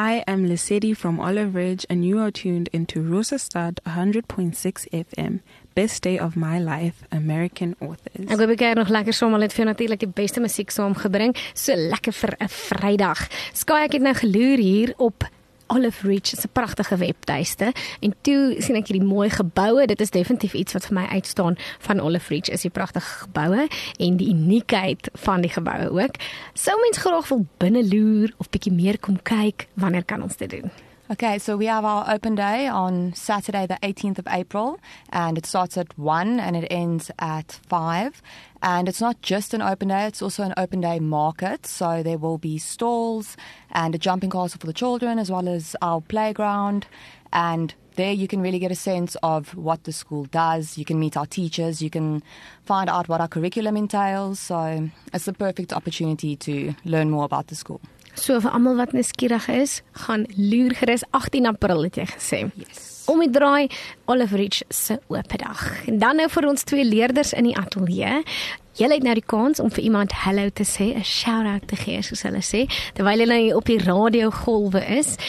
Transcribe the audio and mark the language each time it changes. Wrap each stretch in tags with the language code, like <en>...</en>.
<en>I'm Lissetti from Olive Ridge, and you are tuned into Rosa Stud 100.6 FM. Best day of my life, American authors.</en> <af>Ek hoop ek het nog lekker saam, al het vir natuurlijk die beste muziek saamgebring. So lekker vir 'n Vrydag. Sky, ek het nou geloer hier op Olive Ridge, is 'n prachtige webtuiste. En toe sien ek hierdie mooie geboue. Dit is definitief iets wat vir my uitstaan van Olive Ridge, is die prachtige geboue en die uniekheid van die geboue ook. Sou mens graag wil binne loer of bietjie meer kom kyk, wanneer kan ons dit doen?</af> <en>Okay, so we have our open day on Saturday the 18th of April, and it starts at 1 and it ends at 5. And it's not just an open day, it's also an open day market. So there will be stalls and a jumping castle for the children, as well as our playground. And there you can really get a sense of what the school does. You can meet our teachers, you can find out what our curriculum entails. So it's the perfect opportunity to learn more about the school.</en> <af>So vir almal wat nuuskierig is, gaan loer gerus 18 April het jy gesê.</af> <en>Yes.</en> <af>Om die draai Olive Ridge se oop dag. En dan nou vir ons twee leerders in die ateljee. Julle het nou die kans om vir iemand hallo te sê, 'n shout-out te gee soos hulle sê, terwyl hulle nou op die radio golwe is.</af>